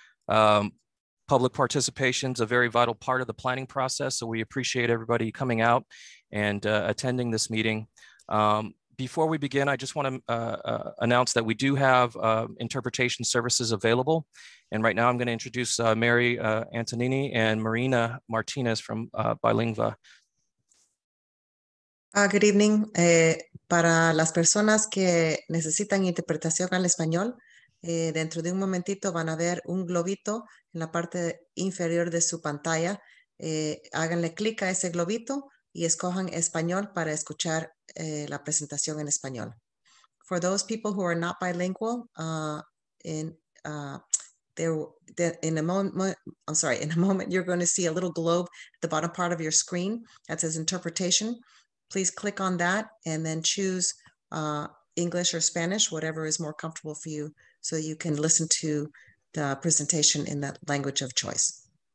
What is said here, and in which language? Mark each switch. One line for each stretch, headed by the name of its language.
English: Public participation is a very vital part of the planning process, so we appreciate everybody coming out and attending this meeting. Before we begin, I just want to announce that we do have interpretation services available. And right now I'm going to introduce Mary Antonini and Marina Martinez from Bilingva. Good evening.
Spanish: Para las personas que necesitan interpretación al español, dentro de un momentito van a ver un globito en la parte inferior de su pantalla. Háganle clic a ese globito y escojan español para escuchar la presentación en español.
English: For those people who are not bilingual, in a moment you're going to see a little globe at the bottom part of your screen that says interpretation. Please click on that and then choose English or Spanish, whatever is more comfortable for you, so you can listen to the presentation in that language of choice.